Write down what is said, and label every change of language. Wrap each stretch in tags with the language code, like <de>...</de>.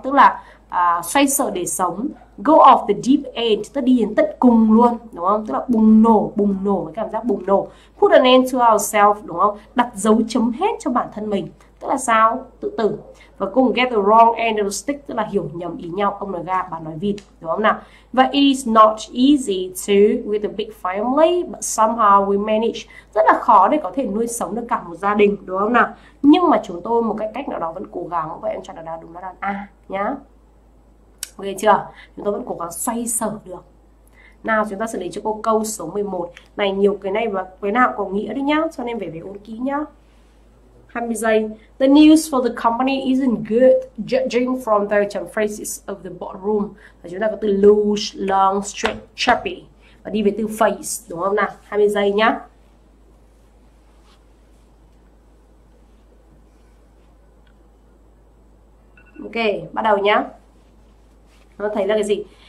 <vi>Tức là xoay sở để sống. Go off the deep end, tức đi đến tận cùng luôn, đúng không? Tức là bùng nổ, cái cảm giác bùng nổ. Put an end to ourselves, đúng không? Đặt dấu chấm hết cho bản thân mình. Tức là sao? Tự tử. Và cùng get the wrong end of the stick, tức là hiểu nhầm ý nhau, ông nói ga, bà nói vịt, đúng không nào?</vi> <en>Và it's not easy to with a big family, but somehow we manage.</en> <vi>Rất là khó để có thể nuôi sống được cả một gia đình, đúng không nào? Nhưng mà chúng tôi một cách nào đó vẫn cố gắng. Vậy em chọn đáp án đúng là đáp A nhá. Ok chưa? Chúng ta vẫn cố gắng xoay sở được. Nào chúng ta xử lý cho cô câu số 11. Này nhiều cái này và cái nào có nghĩa đấy nhá, cho nên về về ôn kỹ nhá. 20 giây.</vi> <en>The news for the company isn't good, judging from the turn faces of the boardroom.</en> <vi>Và chúng ta có từ loose, long, straight, chubby. Và đi về từ face, đúng không nào? 20 giây nhá. Ok, bắt đầu nhá. Nó thấy là cái gì?</vi>